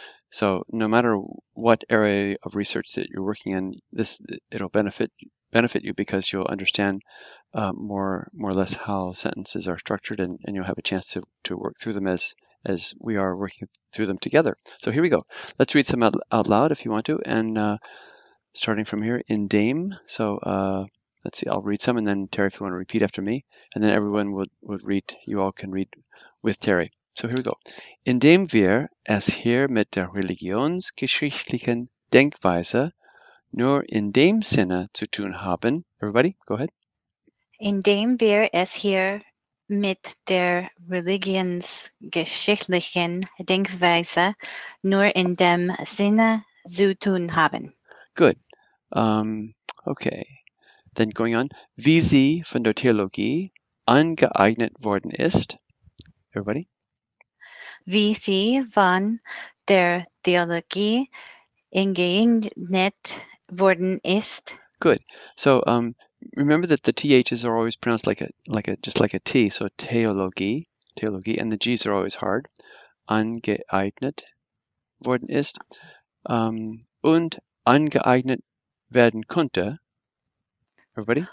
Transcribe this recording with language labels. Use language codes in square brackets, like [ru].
[en] So no matter what area of research that you're working in, this it'll benefit you, because you'll understand more or less how sentences are structured, and you'll have a chance to work through them as we are working through them together. So here we go. Let's read some out loud if you want to, and starting from here in Dame. So let's see, I'll read some, and then Terry, if you want to repeat after me, and then everyone would read, you all can read with Terry. So here we go. [de] Indem wir es hier mit der religionsgeschichtlichen Denkweise nur in dem Sinne zu tun haben. [en] Everybody, go ahead. [de] Indem wir es hier mit der religionsgeschichtlichen Denkweise nur in dem Sinne zu tun haben. [en] Good. Okay. Then going on, [de] wie sie von der Theologie angeeignet worden ist. [en] Everybody? [de] Wie sie von der Theologie angeeignet worden ist. [en] Good. So remember that the THs are always pronounced like a T, so Theologie, and the Gs are always hard. [de] Angeeignet worden ist. Und angeeignet werden konnte. [en] Everybody?